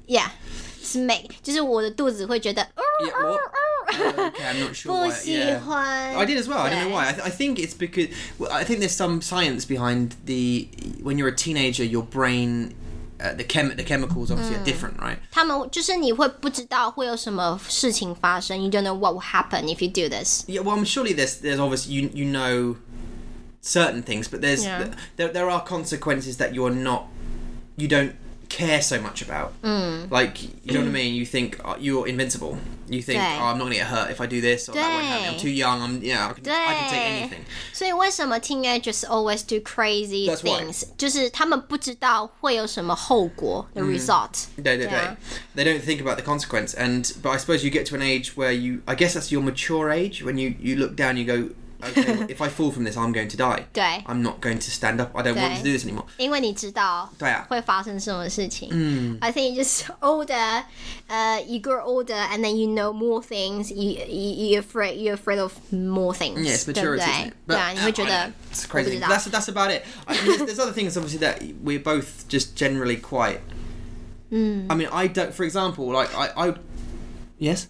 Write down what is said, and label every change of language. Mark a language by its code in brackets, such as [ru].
[en] Yeah. It's make, [zh] 就是我的肚子会觉得, [en] yeah, what? Okay, I'm not sure [zh] 不 [en] 喜欢, why. Yeah. I did as well. I don't know why. I think it's because, well, I think there's some science behind the, when you're a teenager, your brain, the chemicals obviously are different, right? [zh] 他们就是你会不知道会有什么事情发生。 [en] You don't know what will happen if you do this. Yeah, well, I'm surely there's obviously you know certain things, but there's there are consequences that you're not, you don't care so much about. Like, you know what I mean? You think you're invincible. You think, oh, I'm not gonna get hurt if I do this, or that won't happen. I'm too young. I'm, yeah, I can take anything. [zh] 所以为什么 [en] teenagers always do crazy things? [zh] 就是他们不知道会有什么后果, [en] the result. 对对对。They don't think about the consequence. And, but I suppose you get to an age where you, I guess that's your mature age, when you look down, you go, okay, if I fall from this, I'm going to die. [zh] 对, [en] I'm not going to stand up. I don't want to do this anymore. [zh] 因为你知道会发生什么事情。 [en] I think just older, you grow older and then you know more things. You're afraid of more things. Yeah, it's maturity, isn't it? But, yeah, [zh] 你会觉得, [en] it's crazy. That's about it. I mean, there's other things, obviously, that we're both just generally quite... I mean, I don't... For example, like, I Yes?